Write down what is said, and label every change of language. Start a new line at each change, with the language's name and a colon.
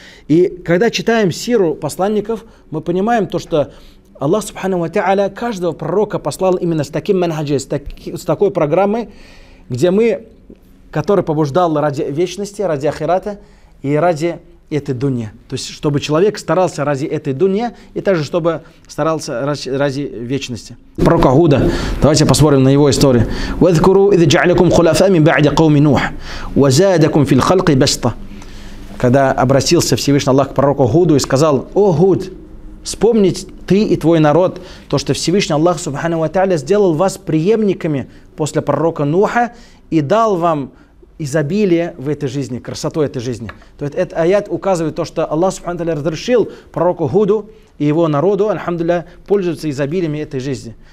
Russian: И когда читаем сиру посланников, мы понимаем то, что Аллах, субхану ва тааля, каждого пророка послал именно с таким манхаджем, с такой программой, где мы, который побуждал ради вечности, ради ахирата и ради этой дунья. То есть чтобы человек старался ради этой дунья, и также чтобы старался ради вечности. Пророк Гуда, давайте посмотрим на его историю.
Arabic: واذكروا اذ جعلكم خلفاء من بعد قوم نوح وزادكم في الخلق بسطة.
Russian: Когда обратился Всевышний Аллах к пророку Гуду и сказал: о Гуд, вспомнить ты и твой народ то, что Всевышний Аллах Субхану ва Тааля сделал вас преемниками после пророка Нуха и дал вам изобилие в этой жизни, красоту этой жизни. То есть этот аят указывает то, что Аллах Субхану ва Тааля разрешил пророку Худу и его народу, альхамдулилля, пользоваться изобилием этой жизни.